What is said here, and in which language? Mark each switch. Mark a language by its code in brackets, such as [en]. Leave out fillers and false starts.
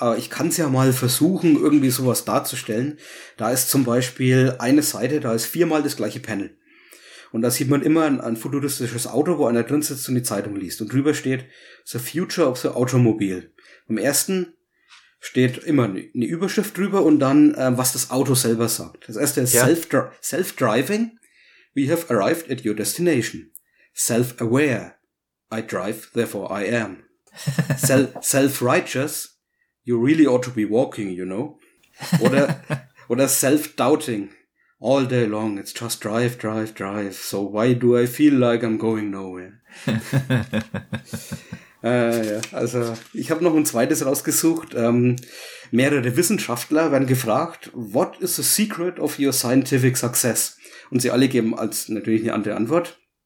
[de] Aber ich kann es ja mal versuchen, irgendwie sowas darzustellen. Da ist zum Beispiel eine Seite, da ist viermal das gleiche Panel. Und da sieht man immer ein futuristisches Auto, wo einer drin sitzt und die Zeitung liest. Und drüber steht [en] The Future of the Automobile. [de] Im ersten steht immer eine Überschrift drüber und dann, was das Auto selber sagt. Das erste ist Self-Driving. [en] We have arrived at your destination. Self-Aware. I drive, therefore I am. Self-righteous, you really ought to be walking, you know. [de] Oder [en] self-doubting, all day long, it's just drive, drive, drive. So why do I feel like I'm going nowhere? [de] Also ich habe noch ein zweites rausgesucht. Mehrere Wissenschaftler werden gefragt, [en] what is the secret of your scientific success? [de] Und sie alle geben als natürlich eine andere Antwort.